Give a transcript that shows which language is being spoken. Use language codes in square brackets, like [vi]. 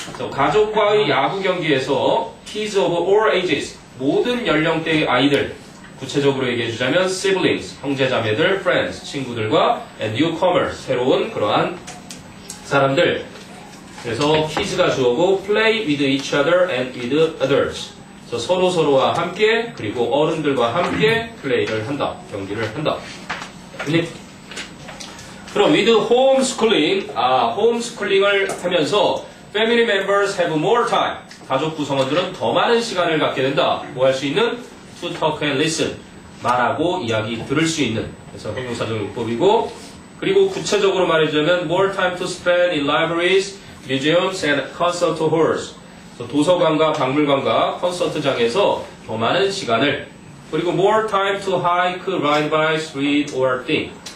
[ko] So, 가족과의 야구 경기에서 [en] kids of all ages [ko] 모든 연령대의 아이들 구체적으로 얘기해 주자면 [en] siblings, [ko] 형제자매들, [en] friends, [ko] 친구들과 [en] and newcomers, [ko] 새로운 그러한 사람들. 그래서 [en] kids가 [ko] 주어고 [en] play with each other and with others. [ko] 그래서 서로서로와 함께 그리고 어른들과 함께 플레이를 한다. 경기를 한다. [en] 그럼 with homeschooling, [ko] 홈스쿨링을 하면서 [en] family members have more time. [ko] 가족 구성원들은 더 많은 시간을 갖게 된다. 뭐 할 수 있는? [en] To talk and listen. [ko] 말하고 이야기 들을 수 있는. 그래서 형용사적 용법이고 그리고 구체적으로 말해주자면 [en] more time to spend in libraries, museums, and concert halls. [ko] 도서관과 박물관과 콘서트장에서 더 많은 시간을 그리고 [en] more time to hike, ride bikes, read, or think.